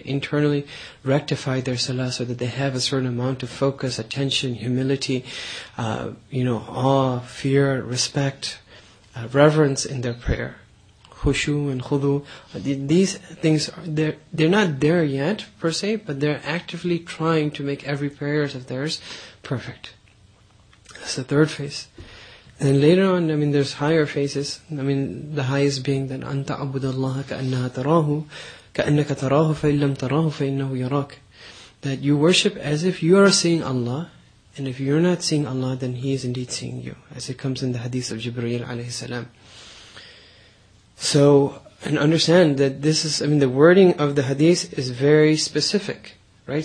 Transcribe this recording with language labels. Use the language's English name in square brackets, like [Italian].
[English] Internally rectify their salah so that they have a certain amount of focus, attention, humility, awe, fear, respect, reverence in their prayer. Khushu and khudu, these things, they're not there yet, per se, but they're actively trying to make every prayer of theirs perfect. That's the third phase. And later on, there's higher phases. The highest being that [Arabic] أَنْتَ عَبُدَ اللَّهَ كَأَنَّهَ تَرَاهُ كَأَنَّكَ تَرَاهُ فَإِنْ لَمْ تَرَاهُ فَإِنَّهُ يَرَاكَ. [English] That you worship as if you are seeing Allah, and if you're not seeing Allah, then He is indeed seeing you. As it comes in the hadith of Jibreel alayhi salam. So, and understand that this is, the wording of the hadith is very specific, right?